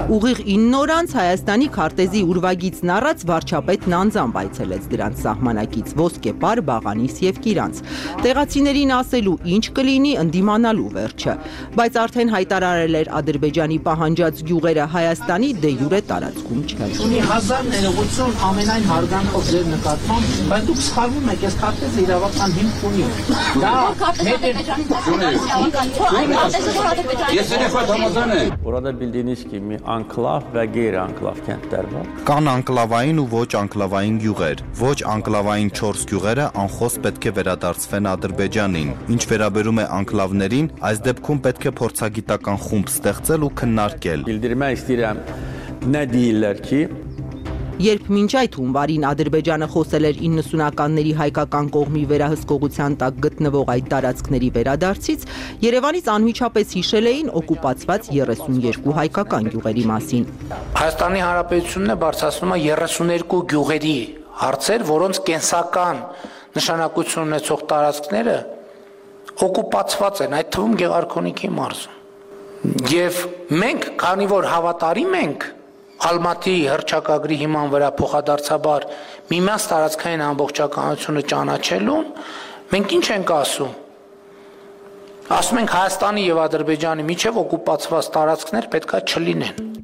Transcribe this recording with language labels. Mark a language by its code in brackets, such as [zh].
[hy] Ուղիղ 9 օր անց Հայաստանի քարտեզի ուրվագիծն առած վարչապետ Նանձան բայցելեց դրանց սահմանակից Ոսկեպար, Բաղանիս եւ Կիրանց։ Տեղացիներին ասելու ինչ կլինի, ընդդիմանալու վերջը, բայց արդեն հայտարարել էր Ադրբեջանի պահանջած գյուղերը Հայաստանի դեյուրե տարածքում չկան։ Ունի հազար ներողություն ամենայն հարգանքով ձեր նկատմամբ, բայց դուք սխալվում եք, այս քարտեզը իրավական հիմք ունի։ Դա [tr] Orada bildiğiniz gibi anklav ve gayri anklav kentler var. [hy] Կան անկլավային ու ոչ անկլավային գյուղեր։ Ոչ անկլավային 4 գյուղերը անխոս պետք է վերադարձվեն Ադրբեջանին։ Ինչ վերաբերում է անկլավներին, այս դեպքում պետք է փորձագիտական խումբ ստեղծել ու քննարկել։ [tr] Bildirmek istiyorum ne diyorlar ki [hy] Երբ մինչ այդ հունվարին Ադրբեջանը խոսել էր 90-ականների հայկական կողմի վերահսկողության տակ գտնվող այդ տարածքների վերադարձից, Երևանից անմիջապես հիշել էին օկուպացված 32 հայկական գյուղերի մասին։ Հայաստանի Հանրապետությունն է բարձրացնում 32 գյուղերի հարցեր, որոնց կենսական նշանակություն ունեցող տարածքները օկուպացված են, այդ թվում Գեղարքոնիքի մարզում։ Եվ մենք, քանի որ հավատարիմ ենք Ալմատի հռչակագրի հիման վրա փոխադարձաբար միմյանց տարածքային ամբողջականությունը ճանաչելուն, մենք ինչ ենք ասում։ Ասում ենք Հայաստանի և Ադրբեջանի միջև օկուպացված տարածքներ պետքա չլինեն։